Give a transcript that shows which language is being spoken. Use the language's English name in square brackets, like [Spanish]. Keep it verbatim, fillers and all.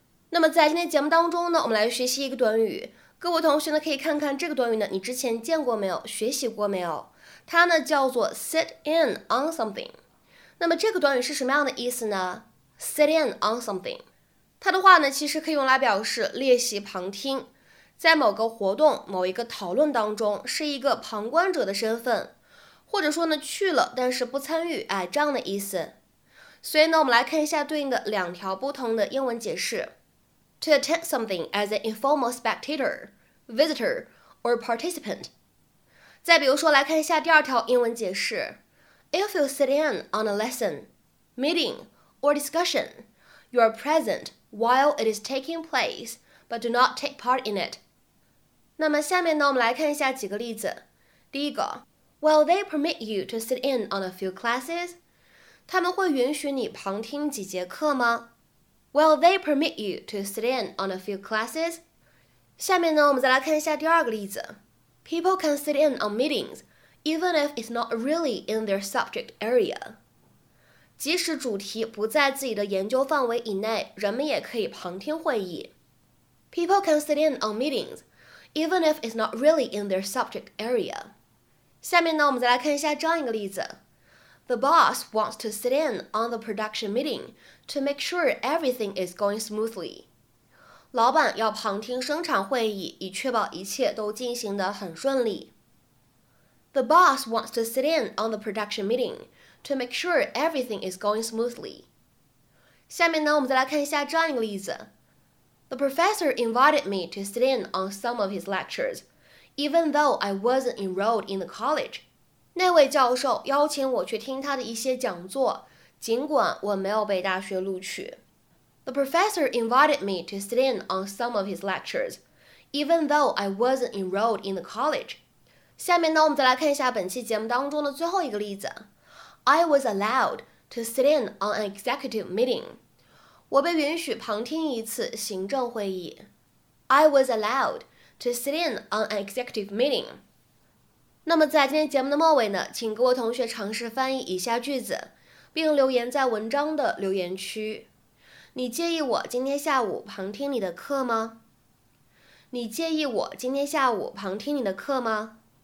[Chinese] 那么在今天节目当中呢，我们来学习一个短语。各位同学呢，可以看看这个短语呢，你之前见过没有？学习过没有？它呢叫做 [English] sit in on something。 [Chinese] 那么这个短语是什么样的意思呢 ？ [English] Sit in on something， [Chinese] 它的话呢，其实可以用来表示列席旁听，在某个活动、某一个讨论当中，是一个旁观者的身份，或者说呢去了但是不参与，哎，这样的意思。所以呢，我们来看一下对应的两条不同的英文解释 [English] ：to attend something as an informal spectator, visitor, or participant。 [Chinese] 再比如说，来看一下第二条英文解释。 [English] If you sit in on a lesson, meeting, or discussion, you are present while it is taking place, but do not take part in it. [Chinese] 那么下面呢，我们来看一下几个例子。第一个 [English] ，Will they permit you to sit in on a few classes? [Chinese] 他们会允许你旁听几节课吗 [English] ？Will they permit you to sit in on a few classes? [Chinese] 下面呢，我们再来看一下第二个例子。 [English] People can sit in on meetings, even if it's not really in their subject area. [Chinese] 即使主题不在自己的研究范围以内，人们也可以旁听会议。 [English] People can sit in on meetings, even if it's not really in their subject area. [Chinese] 下面呢，我们再来看一下这样一个例子。 [English] The boss wants to sit in on the production meeting to make sure everything is going smoothly. [Chinese] 老板要旁听生产会议，以确保一切都进行得很顺利。 [English] The boss wants to sit in on the production meeting to make sure everything is going smoothly. [Chinese] 下面呢，我们再来看一下这样一个例子。 [English] The professor invited me to sit in on some of his lectures, even though I wasn't enrolled in the college. [Chinese] 那位教授邀请我去听他的一些讲座，尽管我没有被大学录取。 [English] The professor invited me to sit in on some of his lectures, even though I wasn't enrolled in the college. [Chinese] 下面呢，我们再来看一下本期节目当中的最后一个例子。 [English] I was allowed to sit in on an executive meeting. [Chinese] 我被允许旁听一次行政会议。 [English] I was allowed to sit in on an executive meeting. [Chinese] 那么在今天节目的末尾呢，请各位同学尝试翻译以下句子，并留言在文章的留言区。你介意我今天下午旁听你的课吗？你介意我今天下午旁听你的课吗？